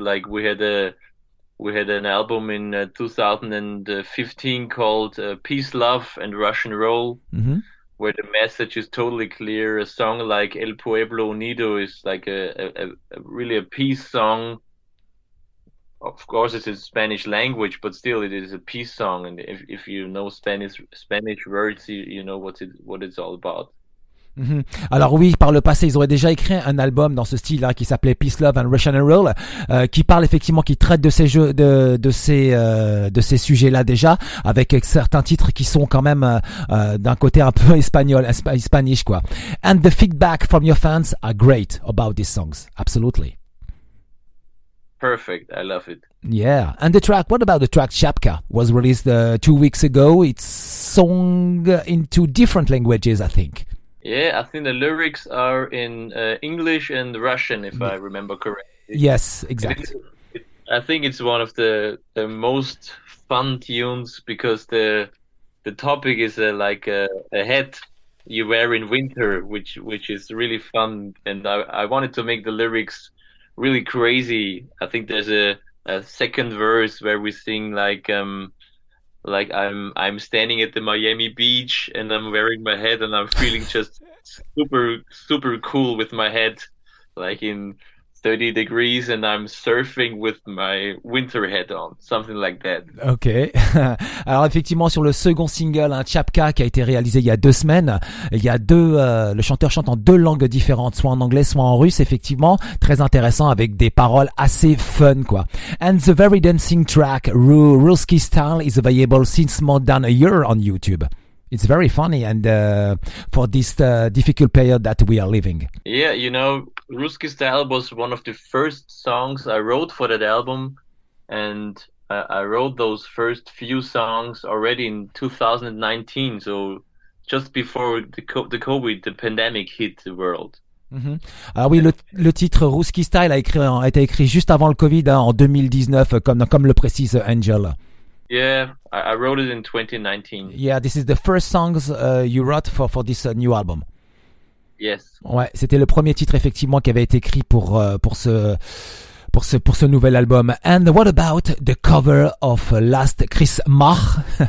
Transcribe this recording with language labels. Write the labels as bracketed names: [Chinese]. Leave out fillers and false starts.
[English] Like we had an album in 2015 called Peace, Love and Russian Roll, where the message is totally clear. A song like El Pueblo Unido is like a really a peace song. Of course, it's in Spanish language, but still, it is a peace song. And if you know Spanish words, you know what it's all about. [French] Alors oui, par le passé, ils auraient déjà écrit un album dans ce style-là, hein, qui s'appelait Peace, Love and Russian Roll, qui parle effectivement, qui traite de ces jeux, de ces sujets-là déjà, avec certains titres qui sont quand même d'un côté un peu espagnol, hispanique quoi. [English] And the feedback from your fans are great about these songs, absolutely. Perfect, I love it. Yeah, and the track. What about the track "Shapka"? Was released 2 weeks ago. It's sung in two different languages, I think. Yeah, I think the lyrics are in English and Russian, if I remember correctly. Yes, It exactly. is, I think it's one of the most fun tunes because the topic is like a hat you wear in winter, which is really fun. And I wanted to make the lyrics really crazy. I think there's a second verse where we sing like I'm standing at the Miami beach and I'm wearing my hat and I'm feeling just super super cool with my head like in 30 degrees and I'm surfing with my winter hat on, something like that. Ok. [French] Alors effectivement sur le second single, hein, Chapka, qui a été réalisé il y a 2 semaines, il y a le chanteur chante en deux langues différentes, soit en anglais, soit en russe. Effectivement, très intéressant avec des paroles assez fun quoi. [English] And the very dancing track Ruski Style is available since more than a year on YouTube. It's very funny and for this difficult period that we are living. Yeah, you know, Ruski Style was one of the first songs I wrote for that album, and I wrote those first few songs already in 2019, so just before the COVID, the pandemic hit the world. [French] Alors oui, le titre Ruski Style a été écrit juste avant le Covid, hein, en 2019, comme le précise Angel. [English] Yeah, I wrote it in 2019. Yeah, this is the first songs you wrote for this new album. Yes. [French] Ouais, c'était le premier titre effectivement qui avait été écrit pour ce nouvel album. [English] And what about the cover of Last Chris Mach?